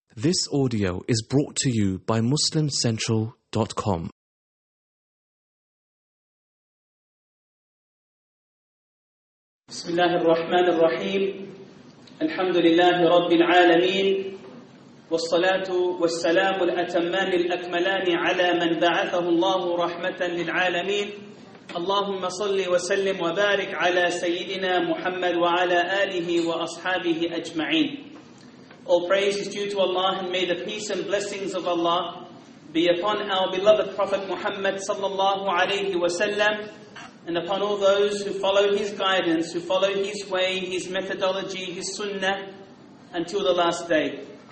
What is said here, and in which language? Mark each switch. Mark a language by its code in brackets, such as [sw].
[en] This audio is brought to you by MuslimCentral.com. [ar] بسم الله الرحمن الرحيم الحمد لله رب العالمين والصلاة والسلام الأتمان الأكملان على من بعثه الله رحمة للعالمين اللهم صل وسلم وبارك على سيدنا محمد وعلى آله وأصحابه أجمعين. [en] All praise is due to Allah, and may the peace and blessings of Allah be upon our beloved Prophet Muhammad sallallahu alayhi wa sallam, and upon all those who follow his guidance, who follow his way, his methodology, his sunnah, until the last day.